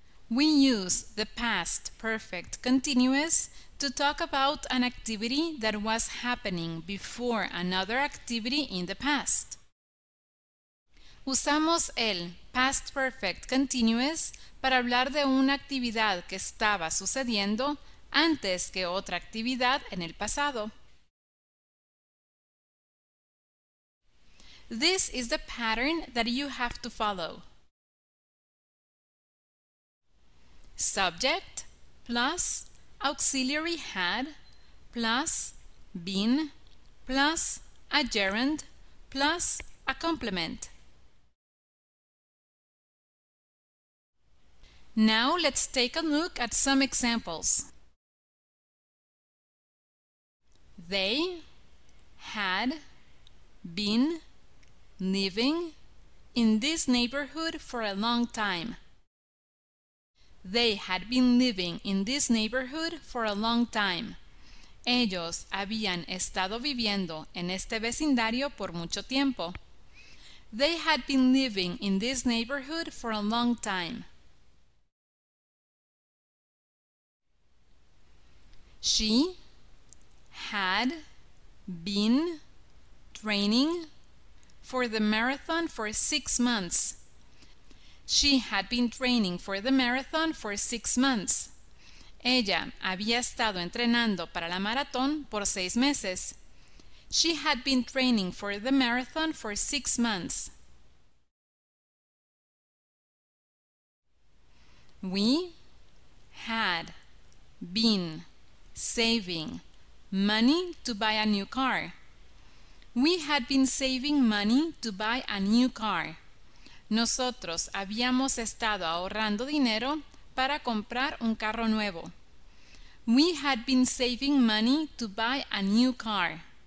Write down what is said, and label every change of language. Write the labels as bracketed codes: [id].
[en] We use the past perfect continuous to talk about an activity that was happening before another activity in the past. [es] Usamos el past perfect continuous para hablar de una actividad que estaba sucediendo antes que otra actividad en el pasado. [en] This is the pattern that you have to follow. Subject plus auxiliary had plus been plus a gerund plus a complement. Now let's take a look at some examples. They had been living in this neighborhood for a long time. They had been living in this neighborhood for a long time. [es] Ellos habían estado viviendo en este vecindario por mucho tiempo. [en] They had been living in this neighborhood for a long time. She had been training for the marathon for 6 months. She had been training for the marathon for 6 months. [es] Ella había estado entrenando para la maratón por 6 meses. [en] She had been training for the marathon for 6 months. We had been saving money to buy a new car. We had been saving money to buy a new car. [es] Nosotros habíamos estado ahorrando dinero para comprar un carro nuevo. [en] We had been saving money to buy a new car.